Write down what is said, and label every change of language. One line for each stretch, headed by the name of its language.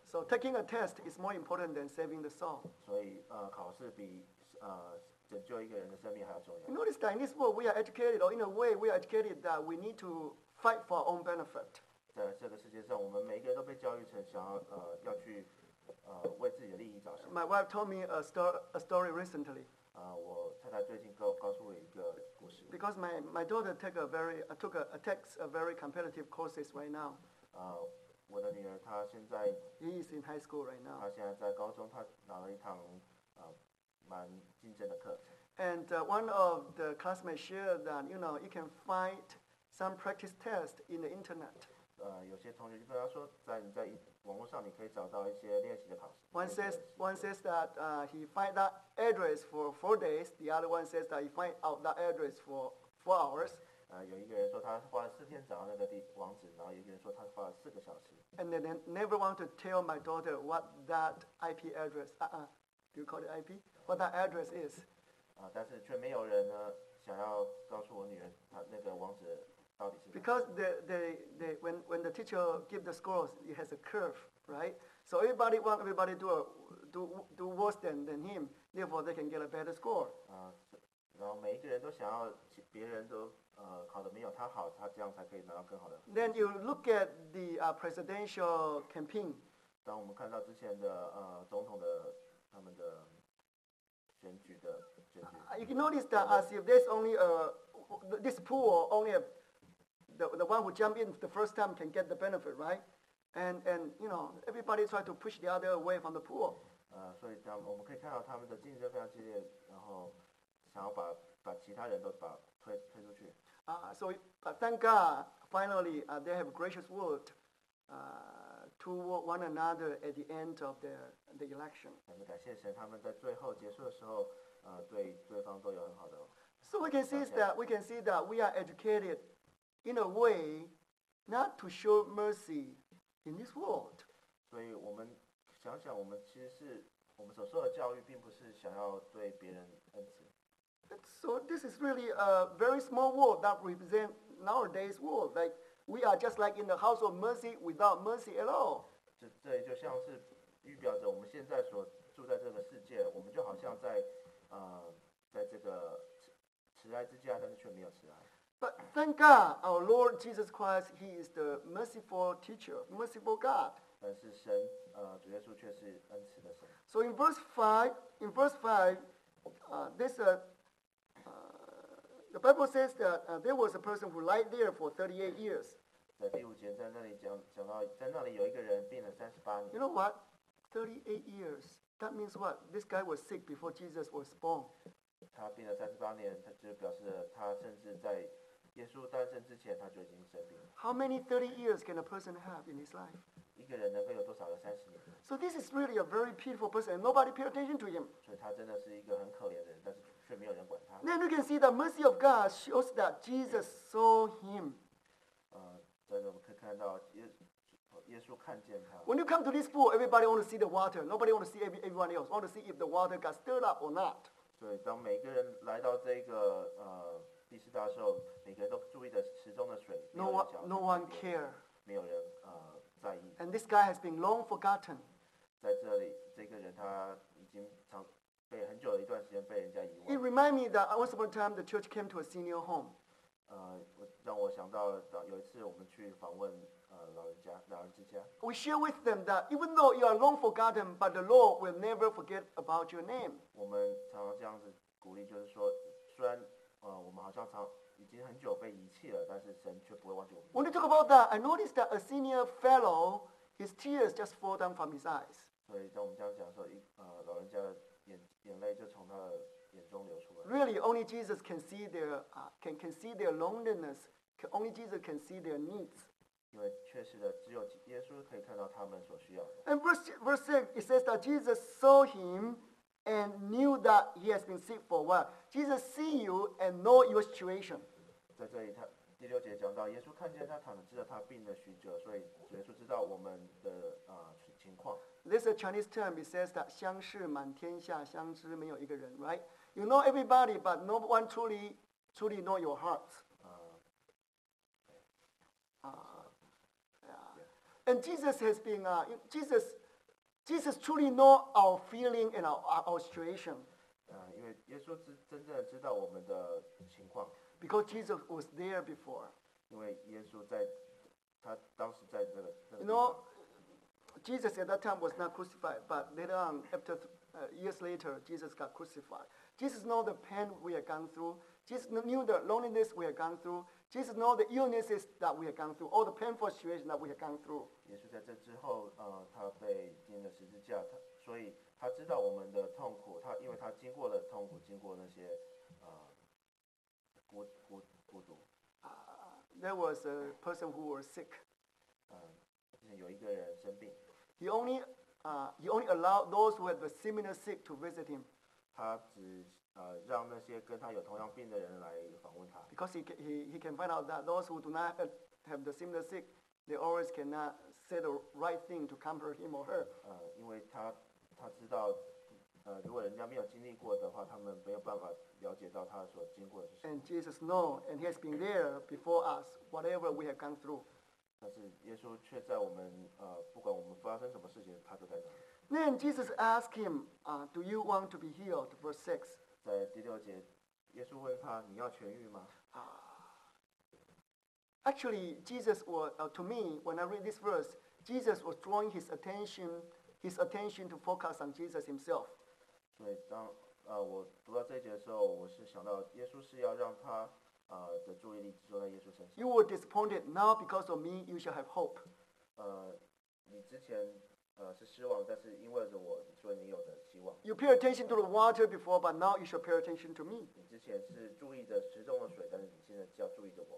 English: So taking a test is more important than saving the soul.
Chinese: 所以考试比拯救一个人的生命还要重要。
English: You notice that in this world we are educated, or in a way we are educated that we need to fight for our own benefit.
Chinese: 在这个世界上，我们每一个人都被教育成想要要去为自己的利益着想。
English: My wife told me a story recently.
Chinese: 我太太最近告诉我一个故事。
English: Because my daughter takes a very competitive courses right now.
Chinese: 我的女儿她现在。
English: She is in high school right now.
Chinese: 她现在在高中，她拿了一堂蛮竞争的课。
English: And one of the classmates shared that you know you can find some practice test in the internet.
Chinese: 有些同学就跟他说，在网络上你可以找到一些练习的考试。
English: One says that he find that address for 4 days. The other one says that he find out that address for 4 hours.
Chinese: 有一个人说他花了4天找到那个网址，然后有一个人说他花了4个小时。
English: And then never want to tell my daughter what that IP address. Do you call it IP? What that address is?
Chinese: 但是却没有人呢想要告诉我女儿她那个网址。
English: Because when the teacher give the scores, it has a curve, right? So everybody want everybody do worse than him. Therefore, they can get a better score.
Chinese: 然后每一个人都想要别人都考得没有他好，他这样才可以拿到更好的。
English: Then you look at the presidential campaign.
Chinese: 当我们看到之前的总统的他们的选举的选举
English: ，You can notice that as if there's only this pool only the one who jump in the first time can get the benefit, right? And you know everybody try to push the other away from the pool.
Chinese: 所以我们可以看到他们的竞争非常激烈，然后想要把其他人都把推出去。
English: Thank God, finally, they have gracious word toward one another at the end of the election.
Chinese: 感谢神，他们在最后结束的时候，对对方都有很好的。
English: So we can see that we are educated in a way not to show mercy in this world.
Chinese: 所以我们想想，我们其实是我们所受的教育，并不是想要对别人恩慈。
English: So this is really a very small world that represents nowadays world. Like we are just like in the house of mercy without mercy at all.
Chinese: 这就像是预表着我们现在所住在这个世界，我们就好像在这个慈爱之家，但是却没有慈爱。
English: But thank God, our Lord Jesus Christ, He is the merciful teacher, merciful God.
Chinese: 但是神，主耶稣却是恩慈的神。
English: So in verse five, the Bible says that there was a person who lied there for 38 years.
Chinese: 在第五节在那里讲到，在那里有一个人病了38年。
English: You know what? 38 years. That means what? This guy was sick before Jesus was born.
Chinese: 他病了38年，他就表示他甚至在耶稣诞生之前，他就已经生病了。
English: How many 30 years can a person have in his life?
Chinese: 一个人能够有多少个30年
English: ？So this is really a very pitiful person, and nobody pay attention to him.
Chinese: 所以他真的是一个很可怜的人，但是。
English: Then we can see the mercy of God shows that Jesus saw him.
Chinese: 在这我们可以看到耶稣看见他。
English: When you come to this pool, everybody want to see the water. Nobody want to see everyone else. Want to see if the water got stirred up or not.
Chinese: 对，当每个人来到这个第四大的时候，每个人都注意的池中的水。
English: No one care.
Chinese: 没有人在意。
English: And this guy has been long forgotten.
Chinese: 在这里，这个人他已经长。很久的一段时间被人家遗忘。
English: It remind me that once upon a time the church came to a senior home.
Chinese: 让我想到有一次我们去访问老人之家。
English: We share with them that even though you are long forgotten, but the Lord will never forget about your name.
Chinese: 我们常常这样子鼓励，就是说，虽然我们好像已经很久被遗弃了，但是神却不会忘记我们。
English: When you talk about that, I noticed that a senior fellow, his tears just fall down from his eyes.
Chinese: 所以当我们这样讲说，老人家。眼泪就从他的眼中流出来。
English: Really, only Jesus can see their can see their loneliness. Only Jesus can see their needs.
Chinese: 因为确实的，只有耶稣可以看到他们所需要的。
English: And verse six, it says that Jesus saw him and knew that he has been sick for a while. Jesus see you and know your situation.
Chinese: 在这里第六节讲到，耶稣看见他躺着，知道他病了许久，所以耶稣知道我们的情况。
English: This is a Chinese term. It says that
Chinese: 相视满天下，相知没有一个人
English: ，right? You know everybody, but no one truly know your heart. And Jesus has been Jesus truly know our feeling and our situation.
Chinese: 因为耶稣真正知道我们的情况。
English: Because Jesus was there before.
Chinese: 因为耶稣在他当时在这个。
English: You know. Jesus at that time was not crucified, but later on, years later, Jesus got crucified. Jesus knew the pain we had gone through. Jesus knew the loneliness we had gone through. Jesus knew the illnesses that we had gone through, all the painful situations that we had gone through.
Chinese: 耶稣在这之后，他被钉了十字架，所以他知道我们的痛苦。他因为他经过了痛苦，经过那些孤独。
English: There was a person who was sick.
Chinese: 有一个人生病。
English: He only allowed those who had the similar sick to visit him.
Chinese: 他只让那些跟他有同样病的人来访问他。
English: Because he can find out that those who do not have the similar sick, they always cannot say the right thing to comfort him or her.
Chinese: 因为他知道，如果人家没有经历过的话，他们没有办法了解到他所经过的是什么。
English: And Jesus knows, and he has been there before us, whatever we have gone through.
Chinese: 但是耶稣却在我们不管我们发生什么事情，他都在那里。
English: Then Jesus asked him, "Do you want to be healed?" Verse six.
Chinese: 在第六节，耶稣问他：“你要痊愈吗？”
English: Actually, Jesus was to me when I read this verse, Jesus was drawing his attention to focus on Jesus himself.
Chinese: 所以当我读到这节的时候，我是想到耶稣是要让他的注意力集中在耶稣身上。
English: You were disappointed now because of me, you shall have hope.
Chinese: 你之前是失望，但是因为着我，所以你有的希望。
English: You pay attention to the water before, but now you shall pay attention to me.
Chinese: 你之前是注意着池中的水，但是你现在就要注意着我。